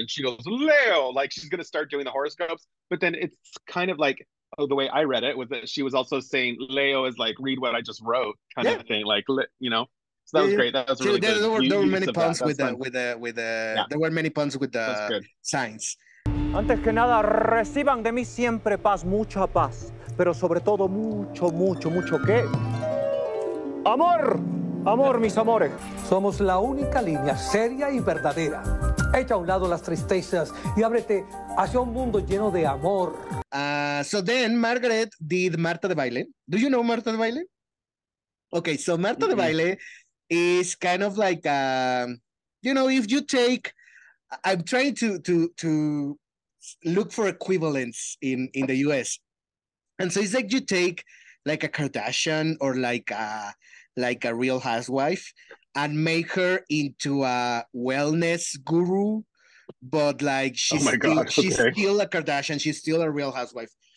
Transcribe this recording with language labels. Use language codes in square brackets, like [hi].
[en] And she goes, Leo. Like, she's going to start doing the horoscopes. But then it's kind of like, oh, the way I read it was that she was also saying, Leo is like, read what I just wrote kind of thing. Like, you know, so that was great. That was really good. There were many puns with the there were many puns with the signs. [es] Antes que nada, reciban de mí siempre paz, mucha paz, pero sobre todo mucho, mucho, mucho, ¿qué? ¡Amor! Amor, mis amores. Somos la única línea seria y verdadera. Echa a un lado las tristezas y ábrete hacia un mundo lleno de amor. [en] So then Margaret did Martha Debayle. Do you know Martha Debayle? Okay, so Martha Debayle is kind of like, you know, if you take, I'm trying to look for equivalents in the US. And so it's like you take like a Kardashian or like a Real Housewife and make her into a wellness guru, but like she's still a Kardashian, she's still a Real Housewife.